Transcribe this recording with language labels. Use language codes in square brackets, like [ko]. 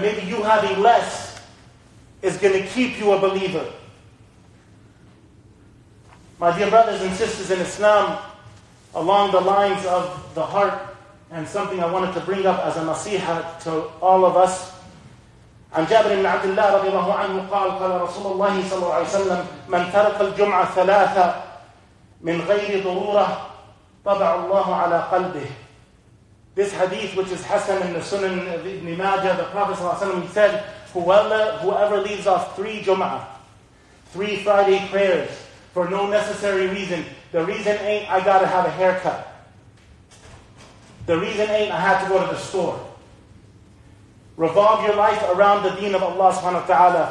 [en] Maybe you having less is going to keep you a believer. My dear brothers and sisters in Islam, along the lines of the heart, and something I wanted to bring up as a nasiha to all of us. [ar] عن جابر بن عبد الله رضي الله عنه قال قال رسول الله صلى الله عليه وسلم من ترك الجمعة ثلاثة من غير ضرورة طبع الله على قلبه. [en] This hadith, which is Hassan in the Sunan Ibn Majah, the Prophet ﷺ, he said, whoever leaves off three Jumu'ah, three Friday prayers, for no necessary reason, the reason ain't I gotta have a haircut. The reason ain't I have to go to the store. Revolve your life around the deen of Allah subhanahu wa ta'ala.